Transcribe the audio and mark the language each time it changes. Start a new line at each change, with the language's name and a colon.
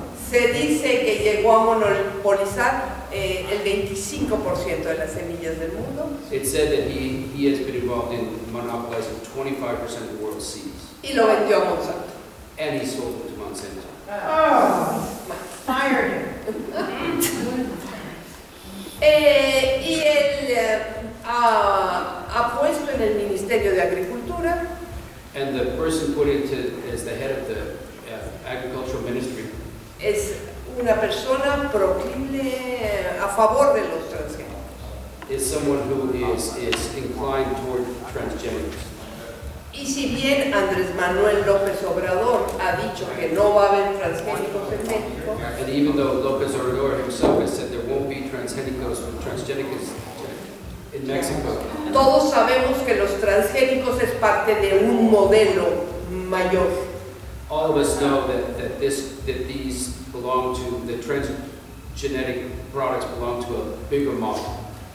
Spanish: Se dice que llegó a monopolizar el 25% de las semillas del mundo.
English: It's said that he has been involved in monopolizing 25% of the world's seeds.
Spanish: Y lo vendió a Monsanto.
English: And he sold it to Monsanto. Fired him.
Spanish: Y él ha puesto en el Ministerio de Agricultura.
English: And the person put into as the head of the agricultural ministry.
Spanish: Es una persona proclive a favor de los transgénicos.
English: Is someone who is inclined toward transgenics.
Spanish: Y si bien Andrés Manuel López Obrador ha dicho que no va a haber transgénicos en México.
English: And even though López Obrador himself has said there won't be transgénicos or transgenics in Mexico.
Spanish: Todos sabemos que los transgénicos es parte de un modelo mayor.
English: All of us know that these belong to the transgenic products belong to a bigger model.